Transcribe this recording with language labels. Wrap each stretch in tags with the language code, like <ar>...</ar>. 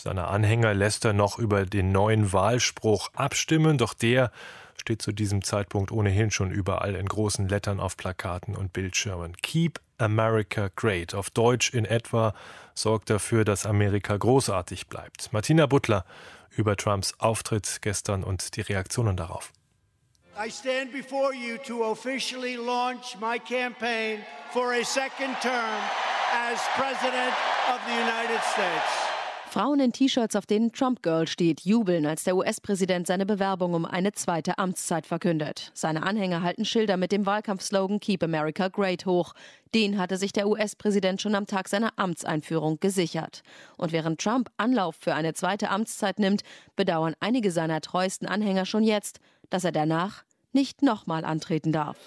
<de>Seine Anhänger lässt er noch über den neuen Wahlspruch abstimmen, doch der steht zu diesem Zeitpunkt ohnehin schon überall in großen Lettern auf Plakaten und Bildschirmen. Keep America Great, auf Deutsch in etwa, sorgt dafür, dass Amerika großartig bleibt. Martina Butler über Trumps Auftritt gestern und die Reaktionen darauf.</de> <en>I stand before you to officially launch my campaign for a second term as President of the United States.</en> <de>Frauen in T-Shirts, auf denen Trump Girl steht, jubeln, als der US-Präsident seine Bewerbung um eine zweite Amtszeit verkündet. Seine Anhänger halten Schilder mit dem Wahlkampfslogan Keep America Great hoch. Den hatte sich der US-Präsident schon am Tag seiner Amtseinführung gesichert. Und während Trump Anlauf für eine zweite Amtszeit nimmt, bedauern einige seiner treuesten Anhänger schon jetzt, dass er danach nicht nochmal antreten darf.</de>